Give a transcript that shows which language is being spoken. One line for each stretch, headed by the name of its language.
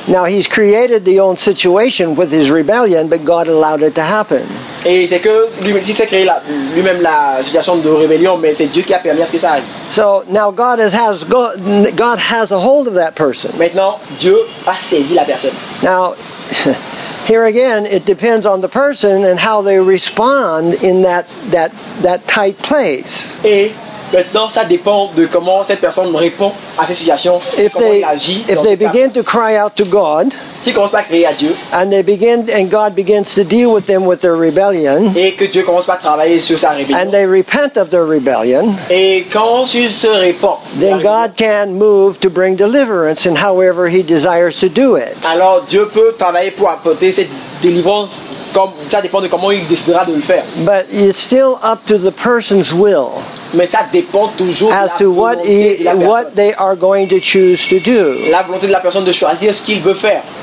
English: Now he's created the own situation with his rebellion, but God allowed it to happen.
French: Et c'est que lui-même s'est créé lui-même la situation de rébellion, mais c'est Dieu qui a permis à ce que ça arrive.
English: So now God has a hold of that person.
French: Maintenant, Dieu a saisi la personne.
English: Now, here again, it depends on the person and how they respond in that tight place.
French: Et maintenant, ça dépend de comment cette personne répond à cette situation, comment elle agit.
English: If they begin to cry out to God,
French: si commence à crier à Dieu,
English: and God begins to deal with them with their rebellion,
French: et que Dieu commence à travailler sur sa rébellion,
English: and they repent of their rebellion,
French: et quand ils se répandent,
English: then God can move to bring deliverance in however He desires to do it.
French: Alors Dieu peut travailler pour apporter cette délivrance. Ça dépend de comment il décidera de le faire.
English: But it's still up to the person's will.
French: Mais ça dépend toujours
English: as to what they are going to choose to do.
French: La volonté de la personne de choisir ce qu'il veut faire.